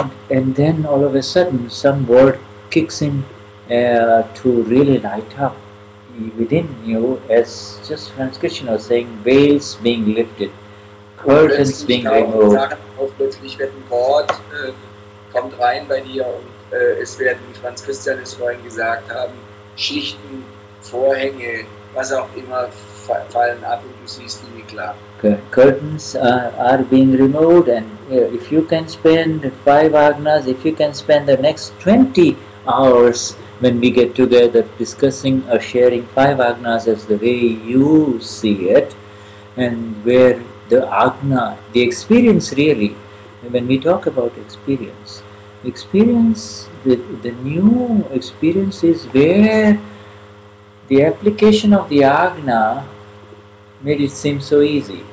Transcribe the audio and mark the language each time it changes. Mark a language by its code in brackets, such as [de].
[en] And then all of a sudden some word kicks in to really light up within you, as just Franz Krishna was saying, veils being lifted. Curtains being removed. [de] Plötzlich wird ein Wort kommt rein bei dir und es werden, wie Franz Christian es vorhin gesagt haben, Schichten, Vorhänge, was auch immer, fallen ab und du siehst Dinge klar. [en] Curtains are being removed and if you can spend five agnas, if you can spend the next 20 hours when we get together discussing or sharing five agnas as the way you see it and where the agna, the experience really, when we talk about experience, the new experience is where the application of the agna made it seem so easy.